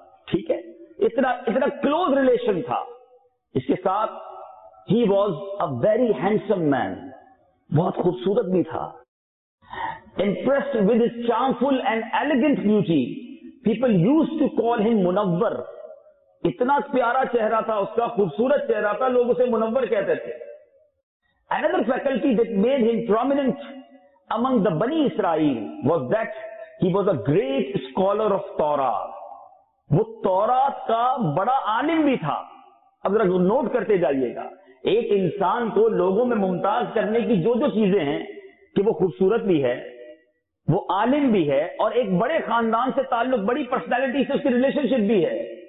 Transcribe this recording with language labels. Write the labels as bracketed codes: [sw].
[ur] ٹھیک ہے, اتنا کلوز ریلیشن تھا. اس کے ساتھ he [en] was a very handsome man, [ur] بہت خوبصورت بھی تھا. [en] Impressed with his charmful and elegant beauty, people use to call him Munawar. [ur] اتنا پیارا چہرہ تھا اس کا, خوبصورت چہرہ تھا, لوگ اسے منور کہتے تھے. [en] Another faculty that made him prominent among the Bani Israel was that he was a great scholar of Torah. [ur] وہ تورات کا بڑا عالم بھی تھا. اب ذرا نوٹ کرتے جائیے گا, ایک انسان کو لوگوں میں ممتاز کرنے کی جو جو چیزیں ہیں, کہ وہ خوبصورت بھی ہے, وہ عالم بھی ہے, اور ایک بڑے خاندان سے تعلق, بڑی پرسنالٹی سے اس کی ریلیشن شپ بھی ہے.